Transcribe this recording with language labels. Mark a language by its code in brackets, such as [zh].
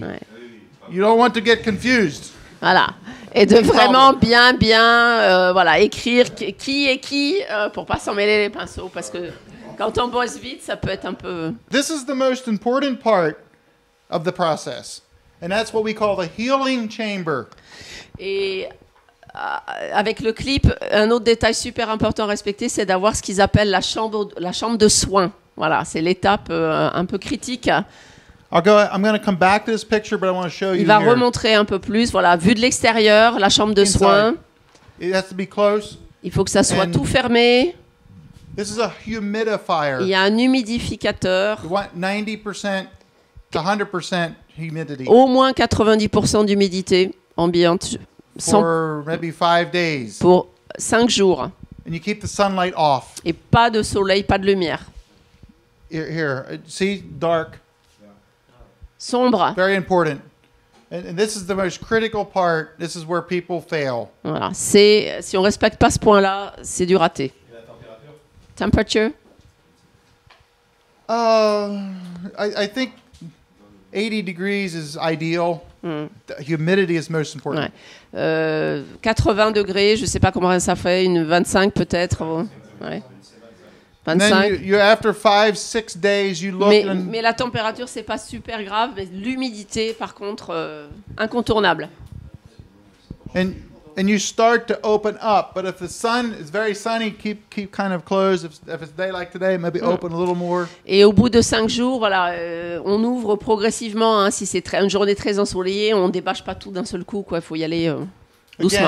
[en] Right. You don't want to get confused. [fr] Voilà. Et de vraiment bien, bien, voilà, écrire qui est qui pour pas s'en mêler les pinceaux parce que quand on bosse vite, ça peut être un peu... [en] This is the most important part of the process. And that's what we call the healing chamber. [fr] Et... avec le clip, un autre détail super important à respecter, c'est d'avoir ce qu'ils appellent la chambre de soins. Voilà, c'est l'étape un peu critique. [en] I'm going to come back to this picture, but I want to show you. [fr] Il va remontrer un peu plus. Voilà, vu de l'extérieur, la chambre de soins. [en] It has to be close. [fr] Il faut que ça soit tout fermé. [en] This is a humidifier. [fr] Il y a un humidificateur. [en] You want 90% to 100% humidity. [fr] Au moins 90% d'humidité ambiante. [en] For maybe 5 days. [fr] Pour 5 jours. [en] And you keep the sunlight off. [fr] Et pas de soleil, pas de lumière. [en] Here, see, dark. [fr] Sombre. [en] Very important. And this is the most critical part. This is where people fail. [fr] Voilà. C'est si on respecte pas ce point-là, c'est du raté. Et la température? [en] Temperature. I think 80 degrees is ideal. Humidity is most important. [fr] Ouais. 80 degrés, je sais pas comment ça fait, une 25 peut-être. Ouais. 25. [en] Then you after 5 6 days you look [fr] mais la température c'est pas super grave, mais l'humidité par contre incontournable. [en] And you start to open up, but if the sun is very sunny, keep kind of closed. If it's a day like today, maybe open a little more. [fr] Et au bout de 5 jours, voilà, on ouvre progressivement. Hein, si c'est une journée très ensoleillée, on débâche pas tout d'un seul coup. Quoi, faut y aller doucement.